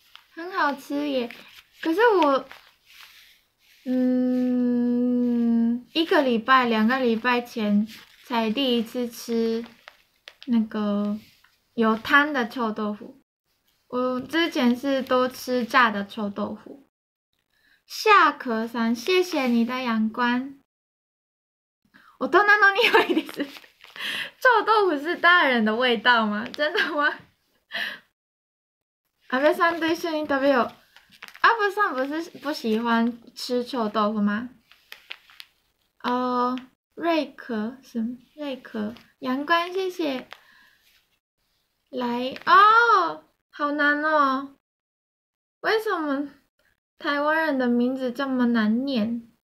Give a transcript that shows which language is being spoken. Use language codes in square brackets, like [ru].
[zh] 很好吃耶，可是我。一个礼拜、2个礼拜前才第一次吃那个有汤的臭豆腐。我之前是都吃炸的臭豆腐。下壳山，谢谢你的阳光。 [ja] 大人の匂いです。 [zh] 臭豆腐是大人的味道吗？真的吗？ [ja] 阿部さんと一緒に食べよう。 [zh] 阿部さん不是不喜欢吃臭豆腐吗？哦，瑞克什么？瑞克阳光，谢谢。来哦，好难哦。为什么台湾人的名字这么难念？